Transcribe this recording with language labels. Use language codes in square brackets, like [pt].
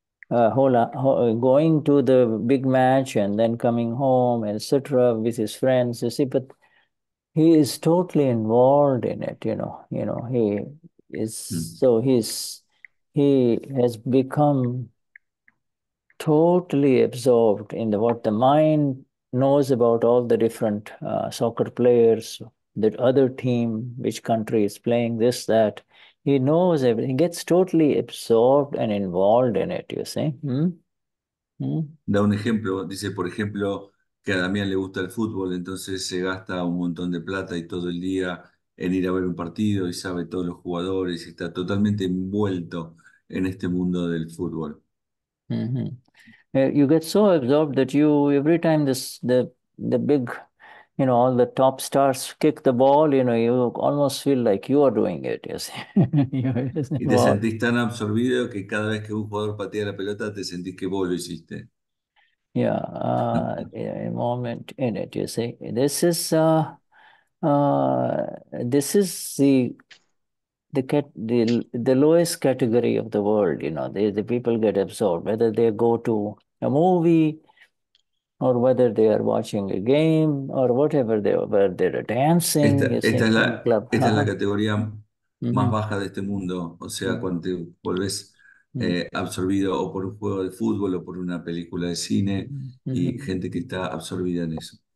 [en] going to the big match and then coming home, etc., with his friends, you see, but he is totally involved in it, you know, he is, so he has become totally absorbed in what the mind knows about all the different soccer players, the other team, which country is playing, this, that. He knows everything. He gets totally absorbed and involved in it, you see. [es] Da un ejemplo, dice, por ejemplo, que a Damián le gusta el fútbol, entonces se gasta un montón de plata y todo el día en ir a ver un partido y sabe todos los jugadores y está totalmente envuelto en este mundo del fútbol. [en] You get so absorbed that you, every time the big, you know, all the top stars kick the ball, you know, you almost feel like you are doing it, you see. [es] Y te sentís tan absorbido que cada vez que un jugador patea la pelota, te sentís que vos lo hiciste. [en] Yeah, a moment in it, you see. This is the lowest category of the world, you know. The people get absorbed, whether they go to a movie, or whether they are watching a game, or whatever they are, whether they are dancing, [es] esta es la categoría más baja de este mundo. O sea, cuando te volvés absorbido o por un juego de fútbol o por una película de cine, y gente que está absorbida en eso.